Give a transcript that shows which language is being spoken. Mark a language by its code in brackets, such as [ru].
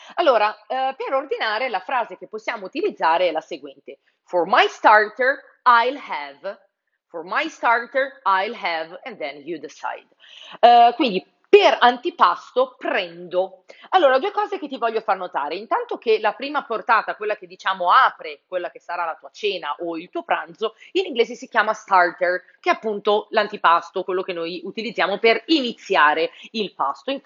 [it] Allora, per ordinare, la frase che possiamo utilizzare è la seguente: [en] For my starter, I'll have. For my starter, I'll have, and then you decide. [it] Quindi, per antipasto, prendo. Allora, due cose che ti voglio far notare. Intanto che la prima portata, quella che diciamo apre, quella che sarà la tua cena o il tuo pranzo, in inglese si chiama starter, che è appunto l'antipasto, quello che noi utilizziamo per iniziare il pasto.